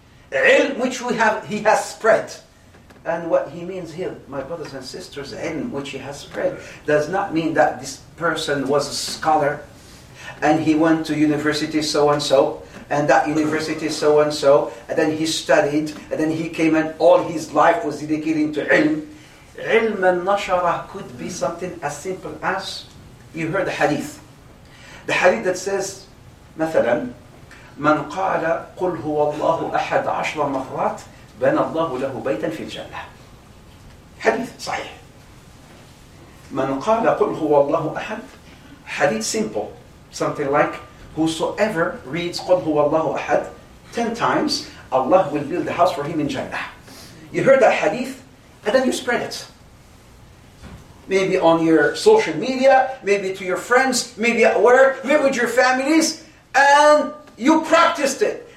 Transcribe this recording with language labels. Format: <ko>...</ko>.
<en>عِلْم, which we have, he has spread. And what he means here, my brothers and sisters, عِلْم, which he has spread, does not mean that this person was a scholar and he went to university so-and-so and that university so-and-so and then he studied and then he came and all his life was dedicated to عِلْم.</en> <ar>عِلْم النَّشَرَحْ</ar> <en>could be something as simple as you heard the hadith. The hadith that says,</en> <ar>مثلاً, من قال قل هو الله أحد عشر مرات بنى الله له بيتا في الجنة. حديث صحيح. من قال قل هو الله أحد,</ar> <en>حديث simple, something like whosoever reads</en> <ar>قل هو الله أحد</ar> <en>10 times, Allah will build a house for him in Jannah. You heard that hadith and then you spread it. Maybe on your social media, maybe to your friends, maybe at work, maybe with your families, and you practiced it.</en>